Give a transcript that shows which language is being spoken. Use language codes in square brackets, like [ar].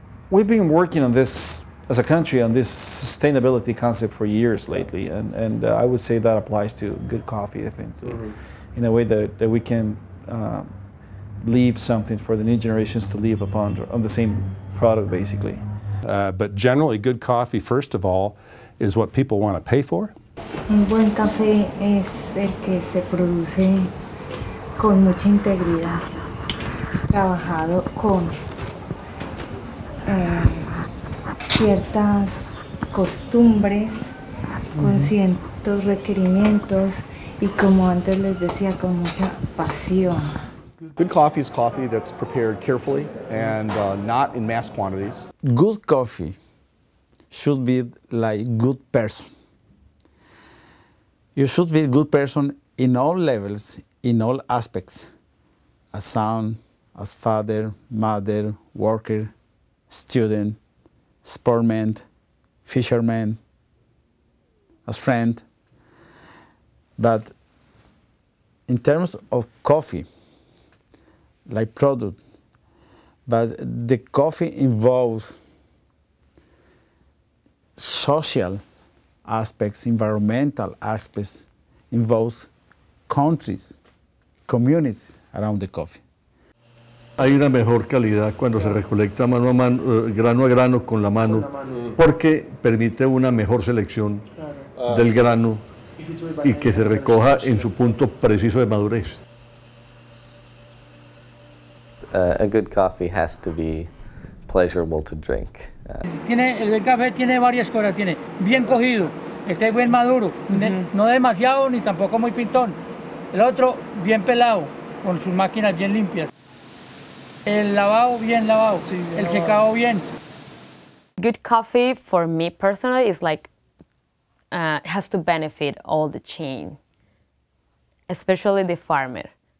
[en] We've been working on this, as a country, on this sustainability concept for years lately, and I would say that applies to good coffee, I think, too, in a way that we can leave something for the new generations to live upon on the same product, basically. But generally, good coffee, first of all, is what people want to pay for. [es] Un buen café es el que se produce con mucha integridad, trabajado con ciertas costumbres, con ciertos requerimientos, y como antes les decía, con mucha pasión. [en] Good coffee is coffee that's prepared carefully and not in mass quantities. Good coffee should be like good person. You should be a good person in all levels, in all aspects. As son, as father, mother, worker, student, sportsman, fisherman, as friend. But in terms of coffee, like product, but the coffee involves social aspects, environmental aspects, involves countries, communities around the coffee. [es] Hay una mejor calidad cuando se recolecta mano a mano, grano a grano con la mano, porque permite una mejor selección del grano y que se recoja en su punto preciso de madurez. [en] A good coffee has to be pleasurable to drink. [es] Tiene el café tiene varias cosas. Tiene bien cogido, está bien maduro, no demasiado ni tampoco muy pintón. El otro bien pelado, con sus máquinas bien limpias. El lavado bien lavado, el secado bien. [en] Good coffee for me personally is like has to benefit all the chain, especially the farmer.